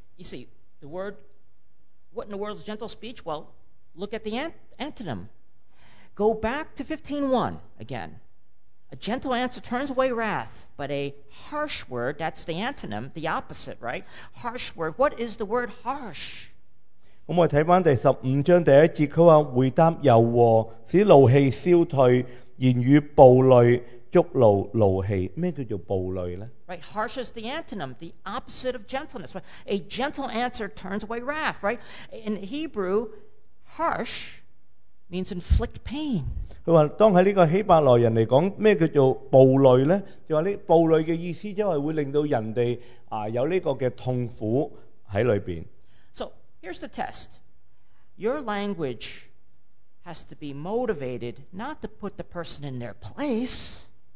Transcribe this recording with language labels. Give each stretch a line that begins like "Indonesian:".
English: You see, the word, what in the world is gentle speech? Well, look at the antonym. Go back to 15:1 again. A gentle answer turns away wrath, but a harsh word, that's the antonym, the opposite, right? Harsh word. What is the word harsh?
Chinese: 我们看回第15章第一节,他说回答柔和,使怒气消退,言语暴戾,筑怒怒气。什么叫暴戾呢?
English: Right, harsh is the antonym, the opposite of gentleness. A gentle answer turns away wrath, right? In Hebrew, harsh means inflict pain.
Chinese: 他说,当在这个希伯来人来说,什么叫暴戾呢? 就说暴戾的意思就是会令到人家有这个痛苦在里面。
English: So, here's the test. Your language has to be motivated not to put the person in their place.